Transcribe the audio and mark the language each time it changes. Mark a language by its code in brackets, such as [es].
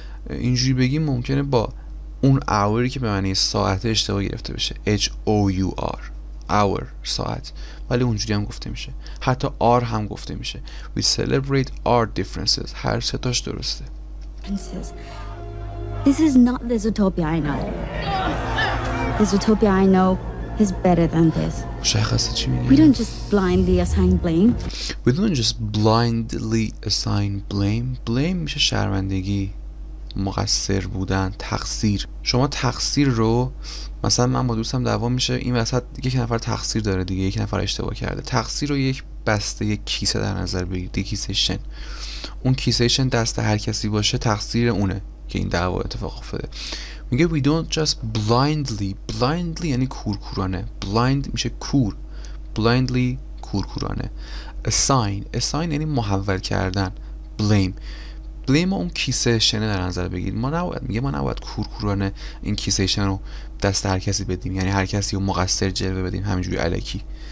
[fa] اینجوری بگیم ممکنه با اون hour که به معنی ساعت اشتباه گرفته بشه. [en] H-O-U-R. Hour. ساعت. [fa] ولی اونجوری هم گفته میشه. حتی R هم گفته میشه. [en] We celebrate our differences. [fa] هر ستاش درسته. [en] This is not the Zootopia I know. The Zootopia I know is better than this. [fa] مشخصه چی میگه؟ [en] We don't just blindly assign blame. We don't just blindly assign blame. [fa] Blame میشه شرمندگی. مقصر بودن، تقصیر. شما تقصیر رو مثلا من با دوستم دعوا میشه، این وسط یک نفر تقصیر داره دیگه، یک نفر اشتباه کرده. تقصیر رو یک بسته، یک کیسه در نظر بگیرید، یک کیسهشن. اون کیسهشن دست هر کسی باشه تقصیر اونه که این دعوا اتفاق افتاده. میگه [en] we don't just blindly [fa] یعنی کورکورانه. blind میشه کور. blindly کورکورانه. assign یعنی محول کردن. blame ما اون کیسه شنه در نظر بگیر. ما نباید، میگه ما نباید کورکورانه این کیسه شنه رو دست هر کسی بدیم، یعنی هر کسی رو مقصر جلوه بدیم همینجوری الکی.